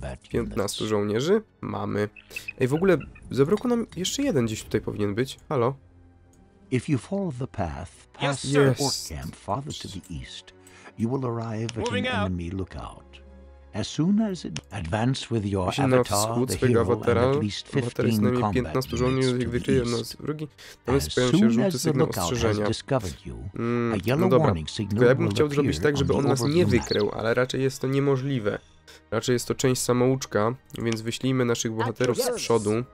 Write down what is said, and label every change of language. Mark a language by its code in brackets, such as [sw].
[pl] 15 żołnierzy? Mamy. Ej, w ogóle zabrakło nam jeszcze jeden gdzieś tutaj powinien być. Halo? [en] If you follow the path, past the orc camp farther to the east, you will arrive at an enemy lookout. As soon as it advance with your avatar, the hero and at least 15 combat units to the east. As soon as the lookout has discovered you, a yellow warning signal will appear on the overview map. [pl] Jest to niemożliwe. Raczej jest to część samouczka, więc wyślijmy naszych bohaterów z przodu.